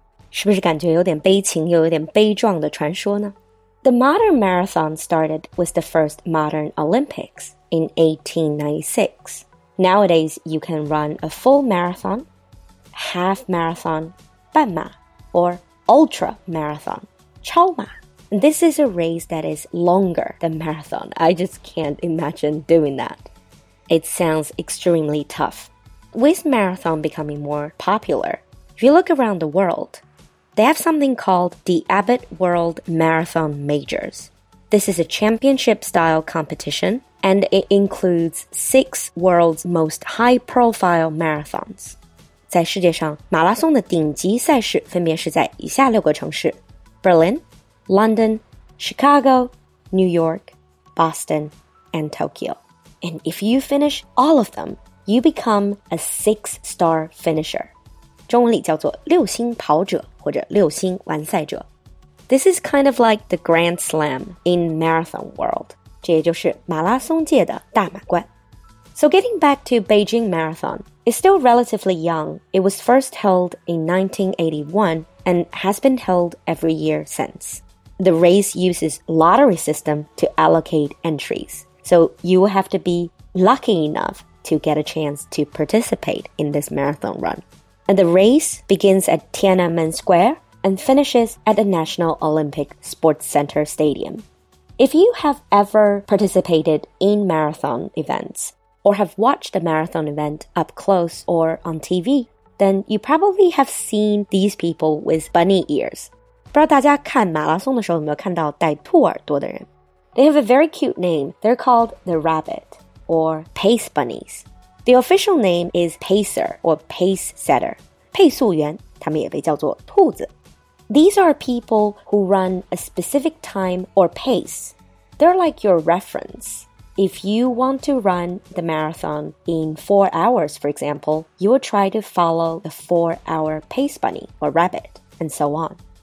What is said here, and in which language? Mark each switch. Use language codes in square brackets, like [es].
[zh] 是不是感觉有点悲情又有点悲壮的传说呢? [en] The modern marathon started with the first modern Olympics in 1896. Nowadays, you can run a full marathon, half marathon, 半马, orUltra marathon, 超马. This is a race that is longer than marathon. I just can't imagine doing that. It sounds extremely tough. With marathon becoming more popular, if you look around the world, they have something called the Abbott World Marathon Majors. This is a championship-style competition, and it includes six world's most high-profile marathons. [zh] 在世界上马拉松的顶级赛事分别是在以下六个城市 Berlin, London, Chicago, New York, Boston, and Tokyo. [en] And if you finish all of them, you become a six-star finisher. [zh] 中文里叫做六星跑者或者六星完赛者。 [en] This is kind of like the Grand Slam in marathon world. [zh] 这也就是马拉松界的大满贯。 [en] So getting back to Beijing Marathon,It's still relatively young. It was first held in 1981 and has been held every year since. The race uses lottery system to allocate entries. So you will have to be lucky enough to get a chance to participate in this marathon run. And the race begins at Tiananmen Square and finishes at the National Olympic Sports Center Stadium. If you have ever participated in marathon events,or have watched a marathon event up close or on TV, then you probably have seen these people with bunny ears. [zh] 不知道大家看马拉松的时候有没有看到戴兔耳朵的人? [en] They have a very cute name. They're called the rabbit or pace bunnies. The official name is pacer or pace setter. [zh] 配速员,他们也被叫做兔子。 [en] These are people who run a specific time or pace. They're like your reference. If you want to run the marathon in 4 hours, for example, you will try to follow the 4-hour pace bunny or rabbit, and so on.